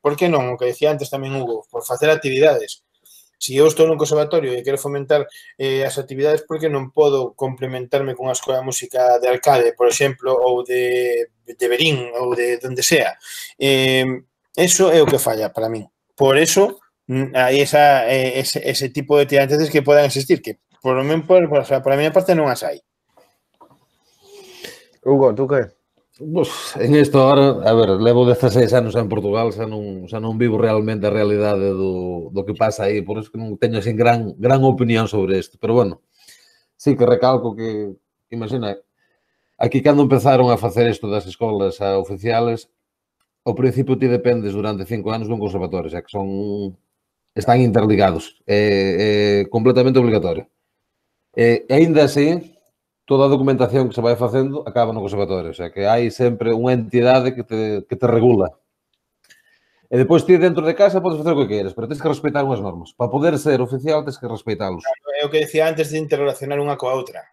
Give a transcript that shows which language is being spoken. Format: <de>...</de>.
<gl>Por que non? O que decía antes tamén Hugo, por facer actividades. Se eu estou nun conservatorio e quero fomentar as actividades, por que non podo complementarme con a Escola de Música de Arcade, por exemplo, ou de Verín, ou de donde sea? Eso é o que falla para min. Por eso, hai ese tipo de actividades que podan existir,</gl> <es>que por lo menos, para mí, aparte, no más hay. Hugo, ¿tú qué? Pues, en esto ahora, a ver, llevo 16 años en Portugal, xa no vivo realmente la realidad de lo que pasa ahí, por eso que no tengo así gran opinión sobre esto. Pero bueno, sí que recalco que, imagina, aquí cuando empezaron a hacer esto de las escuelas oficiales, al principio te dependes durante 5 años de un conservatorio, o sea, que están interligados, completamente obligatorio.</es> <gl>Ainda así, toda a documentación que se vai facendo acaba no conservatorio, o sea, que hai sempre unha entidade que te regula. E depois ti dentro de casa podes facer o que queres, pero tens que respeitar unhas normas. Para poder ser oficial tens que respeitálos. É o que decía antes de interrelacionar unha coa outra.</gl>